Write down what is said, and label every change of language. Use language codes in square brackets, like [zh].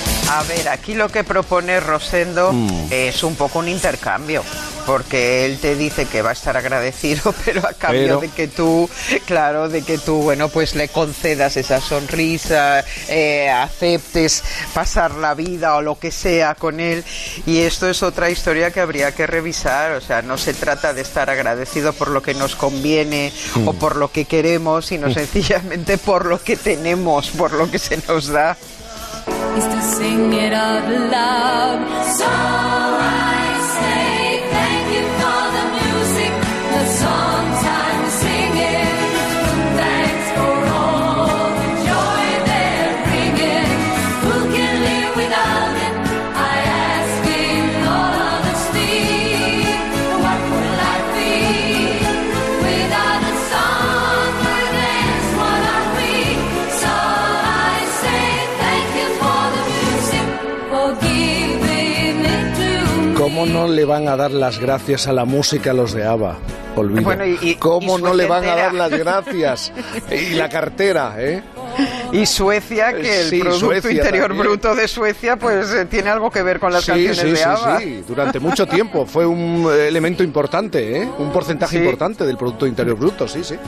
[es] A ver, aquí lo que propone Rosendo es un poco un intercambio, porque él te dice que va a estar agradecido, pero a cambio de que tú, claro, de que tú, bueno, pues le concedas esa sonrisa, aceptes pasar la vida o lo que sea con él, y esto es otra historia que habría que revisar, o sea, no se trata de estar agradecido por lo que nos conviene o por lo que queremos, sino sencillamente por lo que tenemos, por lo que se nos da. [en] Is to sing it out loud. So I say thank you for the music, the songs I'm singing. Thanks for all the joy they're bringing. Who can live without it? I ask in all honesty, what would life be without the song we dance? What are we? So I say thank you for the music, for giving it to me. [es] ¿Cómo no le van a dar las gracias a la música a los de ABBA? Olvido. Bueno, y ¿cómo y no le van a dar las gracias? Y la cartera, ¿eh? Y Suecia, que el Producto Interior Bruto de Suecia, pues tiene algo que ver con las canciones de ABBA. Sí, durante mucho tiempo fue un elemento importante, ¿eh? Un porcentaje importante del Producto Interior Bruto, sí.